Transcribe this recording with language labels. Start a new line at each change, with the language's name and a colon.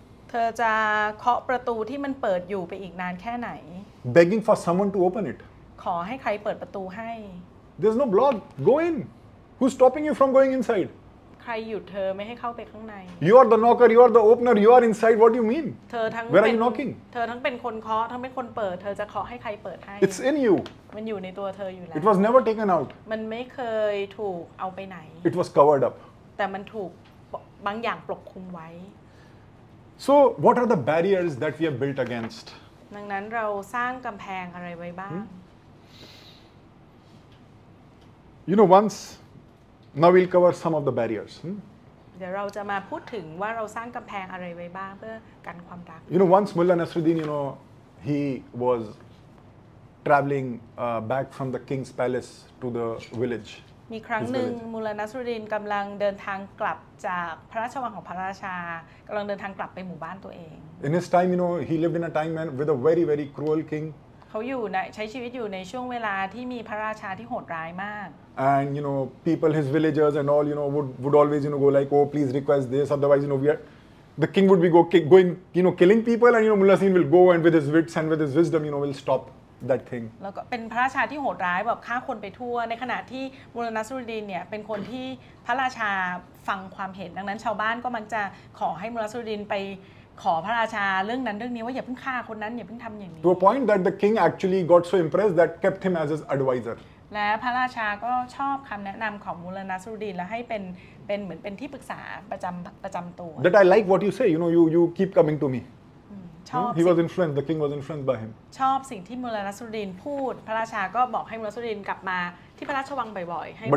Thai: เธอจะเคาะประตูที่มันเปิดอยู่ไปอีกนานแค่ไหน
English: begging for someone to open it
Thai: ขอให้ใครเปิดประตูให้
English: There's no block. Go in. Who's stopping you from going inside?
Thai: ใครหยุดเธอไม่ให้เข้าไปข้างใน
English: You are the knocker. You are the opener. You are inside. What do you mean?
Thai: เธอทั้ง
English: Where are you knocking?
Thai: เธอทั้งเป็นคนเคาะทั้งเป็นคนเปิดเธอจะเคาะให้ใครเปิดให้
English: It's in you.
Thai: มันอยู่ในตัวเธออยู่แล้ว
English: It was never taken out.
Thai: มันไม่เคยถูกเอาไปไหน
English: It was covered up.
Thai: แต่มันถูกบางอย่างปกคลุมไว้
English: So what are the barriers that we have built against?
Thai: ดังนั้นเราสร้างกำแพงอะไรไว้บ้าง
English: You know, once, now we'll cover some of the barriers.
Thai: เดี๋ยวเราจะมาพูดถึงว่าเราสร้างกำแพงอะไรไว้บ้างเพื่อกันความรัก
English: You know, once Mullah Nasruddin, you know, he was traveling back from the king's palace to the village.
Thai: มีครั้งหนึ่ง Mullah Nasruddin กำลังเดินทางกลับจากพระราชวังของพระราชากำลังเดินทางกลับไปหมู่บ้านตัวเอง
English: In his time, you know, he lived in a time with a very, very cruel king.
Thai: เขาอยู่ในใช้ชีวิตอยู่ในช่วงเวลาที่มีพระราชาที่โหดร้ายมาก
English: and you know people his villagers and all you know would always you know go like oh please request this otherwise you know we are the king would be going you know killing people and you know Mullah Sin will go and with his wits and with his wisdom you know will stop that thing
Thai: แล้วก็เป็นพระราชาที่โหดร้ายแบบฆ่าคนไปทั่วในขณะที่มุลนัสรุดีนเนี่ยเป็นคนที่พระราชาฟังความเห็นดังนั้นชาวบ้านก็มักจะขอให้มุลนัสรุดีนไปขอพระราชาเรื่องนั้นเรื่องนี้ว่าอย่าเพิ่งฆ่าคนนั้นอย่าเพิ่งทำอย่างนี้
English: to a point that the king actually got so impressed that kept him as his advisor
Thai: และพระราชาก็ชอบคำแนะนำของมุลนัสรุดีนและให้เป็นเหมือนเป็นที่ปรึกษาประจำตัว
English: that I like what you say you know you keep coming to me
Thai: ชอบ
English: he was influenced the king was influenced by him
Thai: ชอบสิ่งที่มุลนัสรุดีนพูดพระราชาก็บอกให้มุลนัสรุดีนกลับมาที่พระราชวังบ่อยๆให้มาให้